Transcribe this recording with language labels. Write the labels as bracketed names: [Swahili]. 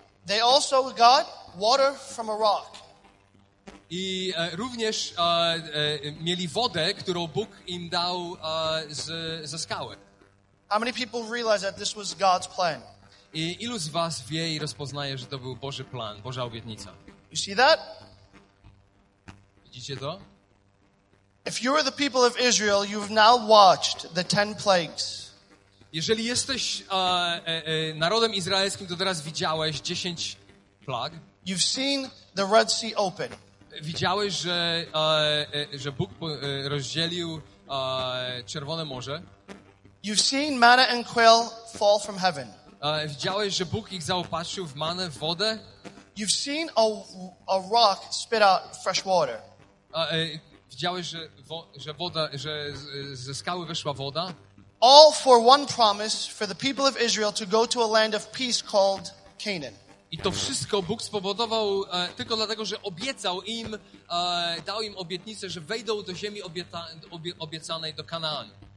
[English] They also got water from a rock. [Polish] I również mieli wodę, którą Bóg im dał ze skały. [English] How many people realize that this was God's plan? [Polish] I ilu z was wie i rozpoznaje, że to był Boży plan, Boża obietnica? [English] You see that? [Polish] Widzicie to? [English] If you are the people of Israel, you've now watched the 10 plagues. [Polish] Jeżeli jesteś narodem izraelskim, to teraz widziałeś 10 plag. [English] You've seen the Red Sea open. [Polish] Widziałeś, że Bóg rozdzielił Czerwone Morze. [English] You've seen manna and quail fall from heaven. [Polish] Widziałeś, że Bóg ich zaopatrzył w manę, w wodę. [English] You've seen a rock spit out fresh water. [Polish] Widziałeś, że ze skały wyszła woda. [English] All for one promise for the people of Israel to go to a land of peace called Canaan. [Polish] I to wszystko Bóg spowodował tylko dlatego, że obiecał im, dał im obietnicę, że wejdą do ziemi obiecanej, do Kanaanu.